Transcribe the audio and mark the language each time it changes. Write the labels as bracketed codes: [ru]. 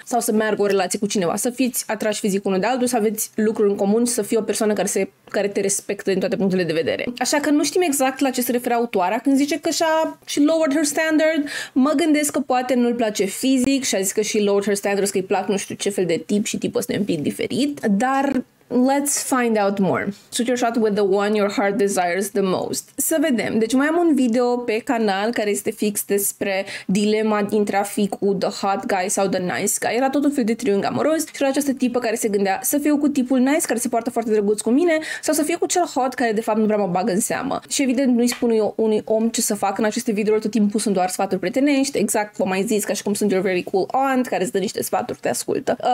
[ro] Sau să meargă o relație cu cineva, să fiți atrași fizic unul de altul, să aveți lucruri în comun și să fii o persoană care te respectă din toate punctele de vedere. Așa că nu știm exact la ce se referă autoarea când zice că [en] și lowered her standard. [ro] Mă gândesc că poate nu-l place fizic și a zis că [en] și lowered her standards, [ro] că îi plac nu știu ce fel de tip și tipul ăsta e un pic diferit, dar [en] Let's find out more. Shoot your shot with the one your heart desires the most. [ro] Să vedem. Deci mai am un video pe canal care este fix despre dilema dintre a fi cu [en] the hot guy [ro] sau [en] the nice guy. [ro] Era tot un fel de triunghi amoros și era această tipă care se gândea să fiu cu tipul nice care se poartă foarte drăguț cu mine sau să fiu cu cel hot care de fapt nu prea mă bagă în seamă. Și evident nu-i spun eu unui om ce să fac în aceste videouri, tot timpul sunt doar sfaturi prietenești, exact v-am mai zis, ca și cum sunt [en] your very cool aunt [ro] care îți dă niște sfaturi, te ascultă.